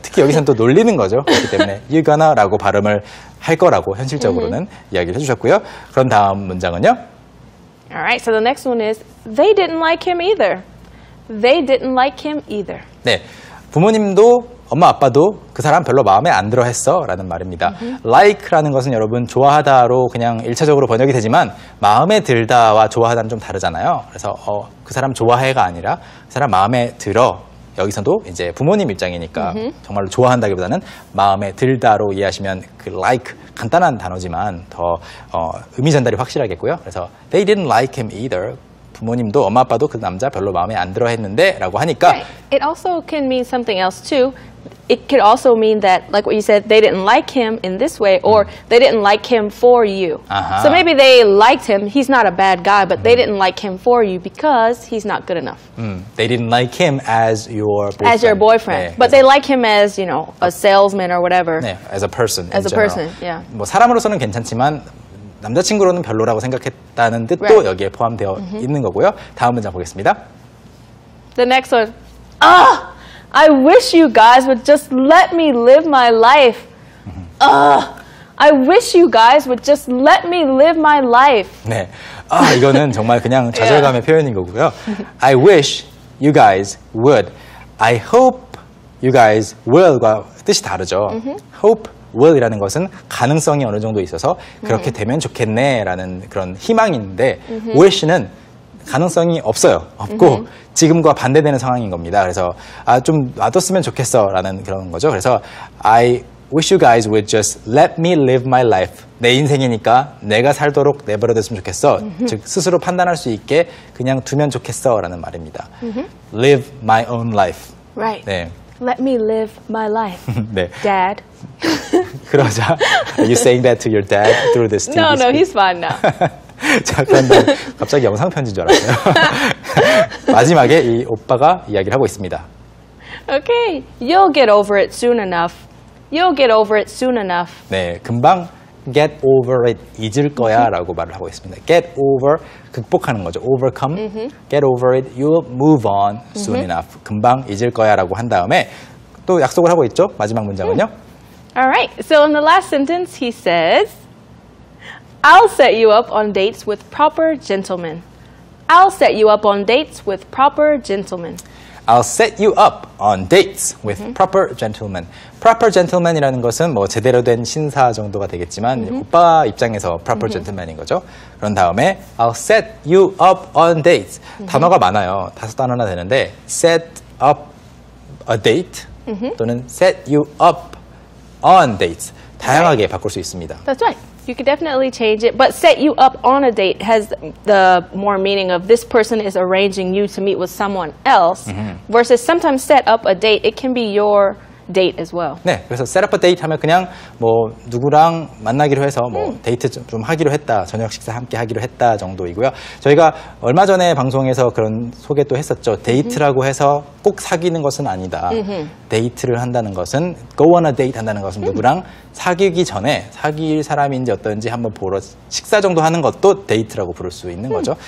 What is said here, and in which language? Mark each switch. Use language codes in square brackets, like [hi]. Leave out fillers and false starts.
[ko] 특히 여기서는 또 놀리는 거죠. 그렇기 때문에 [en] you gonna [ko] 라고 발음을 할 거라고 현실적으로는 이야기를 해주셨고요. 그런 다음 문장은요? [en] All right, so the next one is they didn't like him either. They didn't like him either. [ko] 네, 부모님도 엄마 아빠도 그 사람 별로 마음에 안 들어 했어 라는 말입니다. Like라는 것은 여러분 좋아하다로 그냥 일차적으로 번역이 되지만 마음에 들다와 좋아하다는 좀 다르잖아요. 그래서 그 사람 좋아해가 아니라 그 사람 마음에 들어. 여기서도 이제 부모님 입장이니까 정말로 좋아한다기보다는 마음에 들다로 이해하시면 그 like 간단한 단어지만 더 의미 전달이 확실하겠고요. 그래서 they didn't like him either. 부모님도 엄마 아빠도 그 남자 별로 마음에 안 들어 했는데 라고 하니까 [en] right. It also can mean something else too. It could also mean that like what you said they didn't like him in this way or they didn't like him for you. So maybe they liked him. He's not a bad guy but they didn't like him for you because he's not good enough. They didn't like him as your boyfriend. As your boyfriend. [ko] 네, [en] but they like him as, you know, a salesman or whatever. 네, as a person. As a person. Yeah. [ko] 뭐 사람으로서는 괜찮지만 남자친구로는 별로라고 생각했다는 뜻도 right. 여기에 포함되어 있는 거고요. 다음 문장 보겠습니다. [en] The next one. Ah! I wish you guys would just let me live my life. Ah! I wish you guys would just let me live my life. [ko] 네. 아, 이거는 정말 그냥 좌절감의 yeah. 표현인 거고요. [en] I wish you guys would. I hope you guys will [ko] 과 뜻이 다르죠. [en] Hope. [ko] will이라는 것은 가능성이 어느 정도 있어서 그렇게 되면 좋겠네 라는 그런 희망인데 wish는 가능성이 없어요. 없고 지금과 반대되는 상황인 겁니다. 그래서 아, 좀 놔뒀으면 좋겠어 라는 그런 거죠. 그래서 [en] I wish you guys would just let me live my life. [ko] 내 인생이니까 내가 살도록 내버려 뒀으면 좋겠어. 즉 스스로 판단할 수 있게 그냥 두면 좋겠어 라는 말입니다. [en] Live my own life. Right. [ko] 네. [en] Let me live my life, [ko] 네. [en] Dad. [ko] 그러자, [en] are you saying that to your dad through this TV? No, no, he's fine now. [ko] 자, 그런데 갑자기 영상 편지인 줄 알았어요. 마지막에 이 오빠가 이야기를 하고 있습니다. [en] Okay, you'll get over it soon enough. You'll get over it soon enough. [ko] 네, 금방 [en] get over it, [ko] 잊을 거야 라고 말을 하고 있습니다. [en] Get over, [ko] 극복하는 거죠. [en] Overcome, get over it, you'll move on soon enough. [ko] 금방 잊을 거야 라고 한 다음에 또 약속을 하고 있죠. 마지막 문장은요. [en] All right. So in the last sentence, he says, I'll set you up on dates with proper gentlemen. I'll set you up on dates with proper gentlemen. I'll set you up on dates with proper gentlemen. [ko] Proper gentleman이라는 것은 뭐 제대로 된 신사 정도가 되겠지만 오빠 입장에서 [en] proper gentleman [ko] 인 거죠. [en] 그런 다음에 I'll set you up on dates. [ko] 단어가 많아요. 다섯 단어나 되는데 set up a date 또는 [en] set you up on dates. [ko] 다양하게 right. 바꿀 수 있습니다. [en] That's right. You could definitely change it. But set you up on a date has the more meaning of this person is arranging you to meet with someone else versus sometimes set up a date. It can be your date as well. [ko] 네, 그래서 [en] set up a date [ko] 하면 그냥 뭐 누구랑 만나기로 해서 뭐 데이트 좀 하기로 했다, 저녁 식사 함께 하기로 했다 정도이고요. 저희가 얼마 전에 방송에서 그런 소개 또 했었죠. 데이트라고 해서 꼭 사귀는 것은 아니다. 데이트를 한다는 것은 [en] go on a date [ko] 한다는 것은 누구랑 사귀기 전에 사귈 사람인지 어떤지 한번 보러 식사 정도 하는 것도 데이트라고 부를 수 있는 거죠.